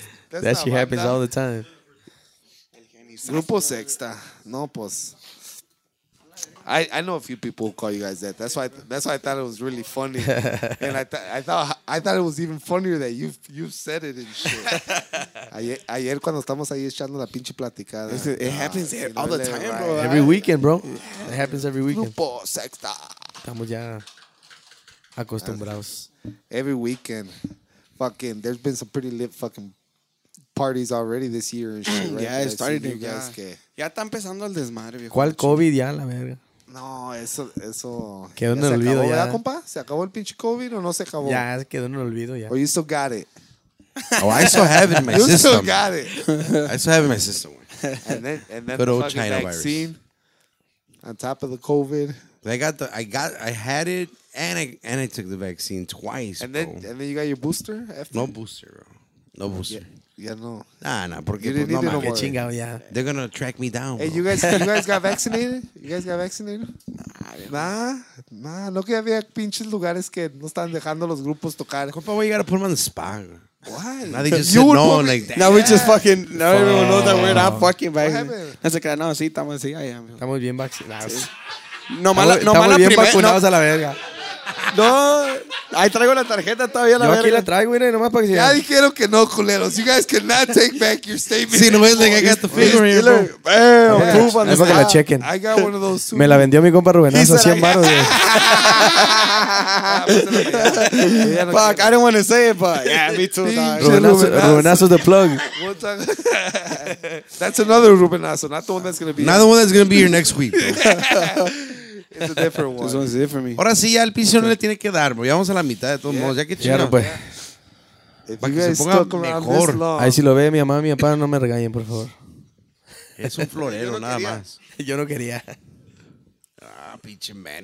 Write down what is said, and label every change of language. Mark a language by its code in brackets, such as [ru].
[en] That shit happens all the time. [es] Grupo Sexta. No, pues. [en] I know a few people who call you guys that. That's why I thought it was really funny, and I thought it was even funnier that you've said it and shit. [es] Ayer cuando estamos ahí echando la pinche platicada, [en] it happens all the time, bro. Every weekend, bro. It happens every weekend. [es] Grupo Sexta. Estamos ya acostumbrados. [en] Every weekend, fucking. There's been some pretty lit fucking parties already this year and shit. Right? Yeah, it started. You guys, [es] que ya está empezando el desmadre. ¿Cuál COVID ya la verga? No, eso... Quedó en el olvido acabó, ¿Verdad, compa? ¿Se acabó el pinche COVID o no se acabó? Ya, quedó en el olvido ya. [en] Oh, you still got it. Oh, I still have it in my you system. You still got it. I still have it in my system. And then the fucking China vaccine virus. On top of the COVID. I had it and I took the vaccine twice, and then, bro. And then you got your booster? No booster, bro. No booster. Yeah. Yeah, [es] no. Nah, porque pues, no, man. Chingado, yeah. [en] They're gonna track me down. Hey, bro. You guys got vaccinated? You guys got vaccinated? [es] Nah, no que había pinches lugares que no están dejando los grupos tocar. [en] Compa, why you gotta put them on the spot? What? Now they just said no, like that. Now we just fucking, now oh. Everyone knows that we're not fucking vaccinated. What happened? [es] No, sí, estamos, sí, ahí. Estamos bien vacunados. No, mala, no, mala bien vacunados a la verga. No, ahí traigo la tarjeta todavía la verga. Yo aquí la traigo, güey, nomás para que se ya dijeron que no, culeros. [en] You guys cannot take back your statement. [es] Sí, nomás le [en] got the finger in here, bro. Bam, proof on the [es] para que la chequen. [en] I got one of those two. [es] Me la vendió mi compa Rubenazo, 100 baros. [en] Fuck, I didn't want to say it, but yeah, me too, dog. Rubenazo's the plug. That's another Rubenazo, not the one that's going to be here. Not the one that's going to be here next week, bro. It's a different one. This one's different. [es] Ahora sí, ya el piso okay. No le tiene que dar, bro. Ya vamos a la mitad de todos modos. Ya que chingado. Pues. Para que se ponga mejor. Ahí si lo ve mi mamá y mi papá, no me regañen, por favor. Es un florero, no nada quería. Más. Yo no quería. Ah, pinche man.